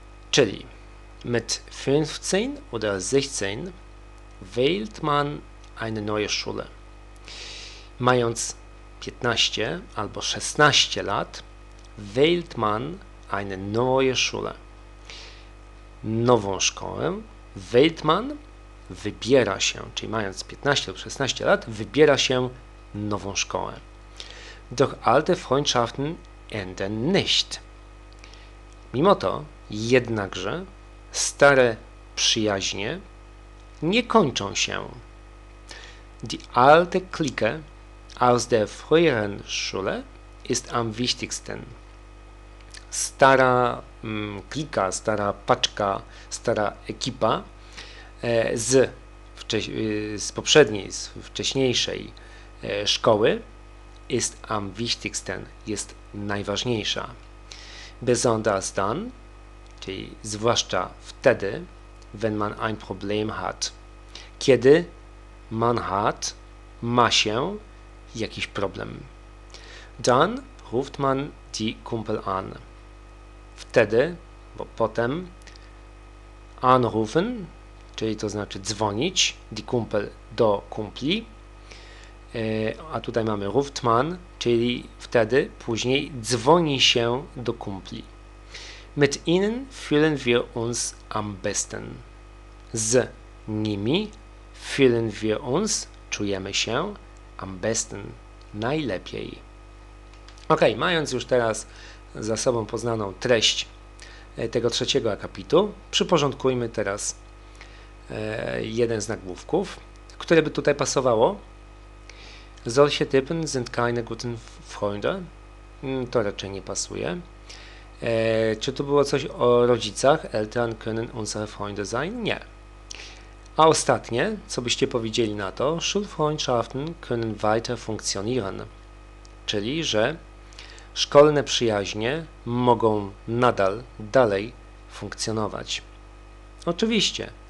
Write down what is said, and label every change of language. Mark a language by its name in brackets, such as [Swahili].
[German] Czyli mit 15 oder 16 wählt man eine neue Schule. [Polish] Mając 15 albo 16 lat, [German] wählt man eine neue Schule. [Polish] Nową szkołę [German] wählt man, [Polish] wybiera się, czyli mając 15 lub 16 lat, wybiera się nową szkołę. [German] Doch alte Freundschaften enden nicht. [Polish] Mimo to jednakże stare przyjaźnie nie kończą się. [German] Die alte Clique aus der früheren Schule ist am wichtigsten. [Polish] Stara klika, stara paczka, stara ekipa z poprzedniej, z wcześniejszej szkoły [German] ist am wichtigsten, [Polish] jest najważniejsza. [German] Besonders dann, [Polish] czyli zwłaszcza wtedy, [German] wenn man ein Problem hat. [Polish] Kiedy [German] man hat, [Polish] ma się jakiś problem. [German] Dann ruft man die Kumpel an. [Polish] Wtedy, bo potem, anrufen, czyli to znaczy dzwonić, [German] die Kumpel [Polish] do kumpli. A tutaj mamy [German] ruft man, [Polish] czyli wtedy, później dzwoni się do kumpli. [German] Mit ihnen fühlen wir uns am besten. [Polish] Z nimi [German] fühlen wir uns, [Polish] czujemy się [German] am besten, [Polish] najlepiej. Ok, mając już teraz za sobą poznaną treść tego trzeciego akapitu, przyporządkujmy teraz jeden z nagłówków, które by tutaj pasowało. [German] Solche Typen sind keine guten Freunde. [Polish] To raczej nie pasuje. Czy tu było coś o rodzicach? [German] Eltern können unsere Freunde sein? [Polish] Nie. A ostatnie, co byście powiedzieli na to? [German] Schulfreundschaften können weiter funktionieren. [Polish] Czyli, że szkolne przyjaźnie mogą nadal dalej funkcjonować. Oczywiście.